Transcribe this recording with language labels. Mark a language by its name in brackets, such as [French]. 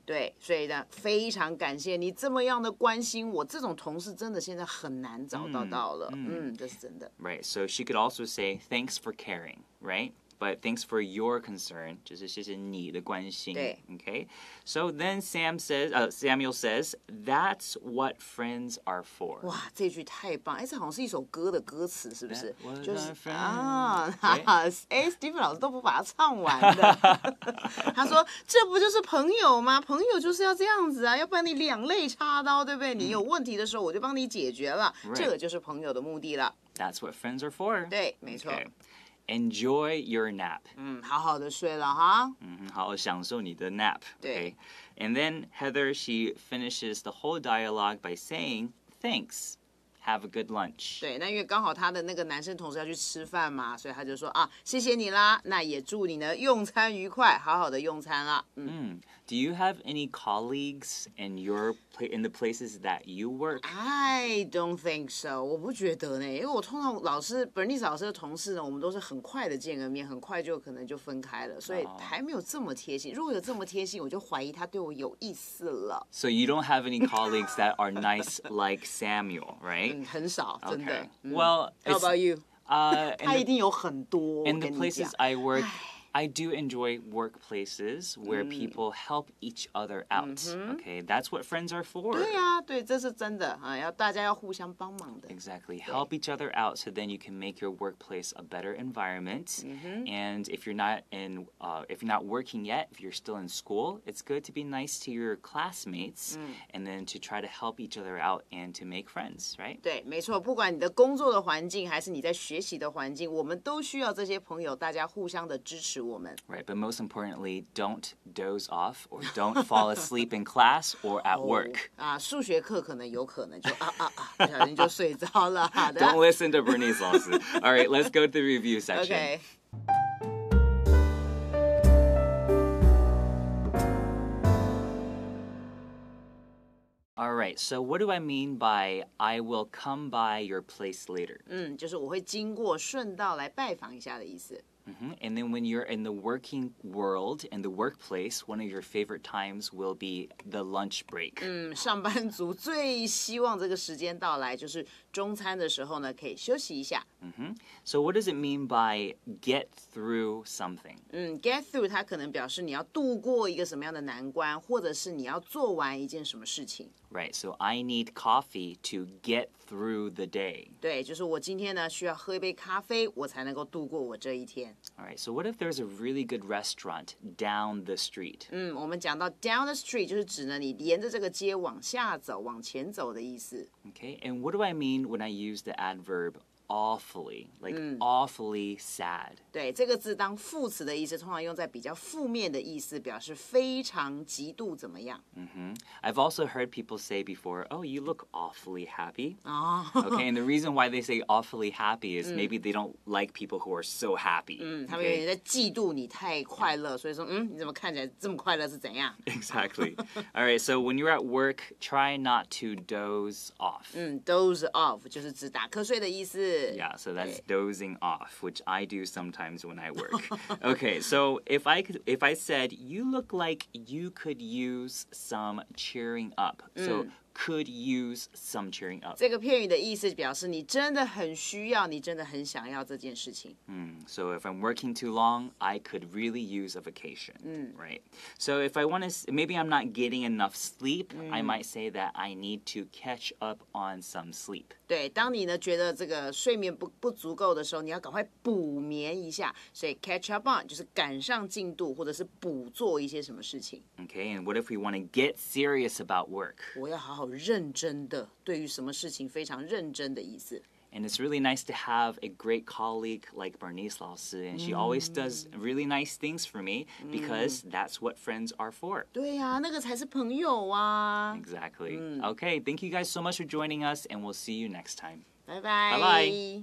[Chinese] 对，所以呢，非常感谢你这么样的关心我。这种同事真的现在很难找到到了。这是真的。 [English] Right, so she could also say, thanks for caring, right? But thanks for your concern. [Chinese] 就是谢谢你的关心。对。 [English] Okay. So then Samuel says, that's what friends are for. [Chinese] 哇，这句太棒。这好像是一首歌的歌词，是不是？ [English] That was、 [Chinese] 就是、 [English] our friends. [Chinese] 啊，哈哈。Stephen 老师都不把它唱完的。他说，这不就是朋友吗？朋友就是要这样子啊，要帮你两肋插刀，对不对？你有问题的时候，我就帮你解决了。 [English] Right. [Chinese] 这个就是朋友的目的了。 [English] That's what friends are for. [Chinese] 对，没错。 [English] Okay. Enjoy your nap. [Chinese] 好好的睡了哈。好好享受你的 nap. 对。 [English] Okay. And then Heather, she finishes the whole dialogue by saying, thanks, have a good lunch. [Chinese] 对，那因为刚好他的那个男生同事要去吃饭嘛，所以他就说啊，谢谢你啦，那也祝你呢用餐愉快，好好的用餐啦。 [English] Do you have any colleagues in your in the places that you work? I don't think so. [Chinese] 我不觉得呢，因为我通常老师 Bernice 老师的同事呢，我们都是很快的见个面，很快就可能就分开了，所以还没有这么贴心。如果有这么贴心，我就怀疑他对我有意思了。 [English] So you don't have any colleagues that are nice like Samuel, right? [Chinese] 很少，真的。 [English] Well, how about you? [Chinese] 他一定有很多。 [English] In the places I work. I do enjoy workplaces where people help each other out. Okay, that's what friends are for. [Chinese] 对啊，对，这是真的啊，要大家要互相帮忙的。 [English] Exactly, help each other out, so then you can make your workplace a better environment. And if you're not in, if you're not working yet, if you're still in school, it's good to be nice to your classmates, and then to try to help each other out and to make friends, right? [Chinese] 对，没错，不管你的工作的环境还是你在学习的环境，我们都需要这些朋友，大家互相的支持。 [English] Right, but most importantly, don't doze off or don't fall asleep in class or at work. [Chinese] 数学课可能有可能就不小心就睡着了。好的。 [English] Don't listen to Bernice 老师。 All right, let's go to the review section. Okay. All right, so what do I mean by I will come by your place later? [Chinese] 就是我会经过顺道来拜访一下的意思。 [English] And then when you're in the working world, in the workplace, one of your favorite times will be the lunch break. [Chinese] 上班族最希望这个时间到来就是中餐的时候呢可以休息一下。 [English] So what does it mean by get through something? [Chinese] Get through 它可能表示你要度过一个什么样的难关，或者是你要做完一件什么事情。 [English] Right, so I need coffee to get through the day. [Chinese] 对，就是我今天呢需要喝一杯咖啡，我才能够度过我这一天。 [English] All right, so what if there's a really good restaurant down the street? [Chinese] 我们讲到 down the street 就是指呢你沿着这个街往下走，往前走的意思。 [English] Okay, and what do I mean when I use the adverb? Awfully, like awfully sad. [Chinese] 对，这个字当副词的意思，通常用在比较负面的意思，表示非常极度怎么样。 [English] I've also heard people say before, oh, you look awfully happy. Oh. Okay, and the reason why they say awfully happy is maybe they don't like people who are so happy. [Chinese] 他们有点在嫉妒你太快乐，所以说，你怎么看起来这么快乐是怎样？ [English] Exactly. All right, so when you're at work, try not to doze off. [Chinese] Doze off 就是指打瞌睡的意思。 [English] Yeah, so that's dozing off, which I do sometimes when I work. Okay, so if I said, you look like you could use some cheering up. So could use some cheering up. 这个片语的意思表示你真的很需要，你真的很想要这件事情。 So if I'm working too long, I could really use a vacation. Right. So if I want to, maybe I'm not getting enough sleep, I might say that I need to catch up on some sleep. [Chinese] 对，当你呢觉得这个睡眠 不足够的时候，你要赶快补眠一下。所以 catch up on 就是赶上进度，或者是补做一些什么事情。 [English] Okay, and what if we want to get serious about work? [Chinese] 我要好好认真的，对于什么事情非常认真的意思。 [English] And it's really nice to have a great colleague like Bernice 老师, and she always does really nice things for me, because that's what friends are for. [Chinese] 对啊，那个才是朋友啊。 [English] Exactly. Okay, thank you guys so much for joining us, and we'll see you next time. Bye-bye.